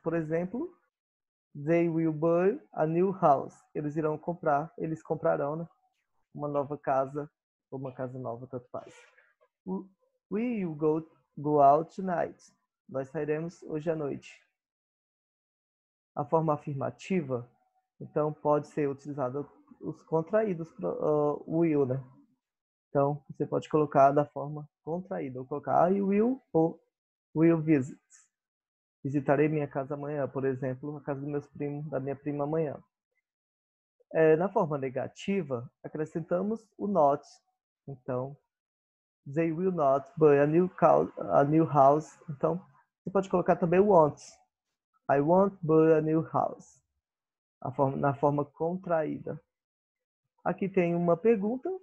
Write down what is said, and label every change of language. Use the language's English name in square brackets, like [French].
[English] Por exemplo, they will buy a new house. [Portuguese] Eles irão comprar, eles comprarão, né? Uma nova casa, ou uma casa nova, tanto faz. We will go out tonight. Nós sairemos hoje à noite. A forma afirmativa, então, pode ser utilizada os contraídos, will, né? Então, você pode colocar da forma contraída, ou colocar I will, ou will visit. Visitarei minha casa amanhã, por exemplo, a casa dos meus primos, da minha prima amanhã. Na forma negativa, acrescentamos o not. [English] Então, they will not buy a new house. [Portuguese] Então, você pode colocar também o won't. I won't buy a new house. Na forma contraída. Aqui tem uma pergunta.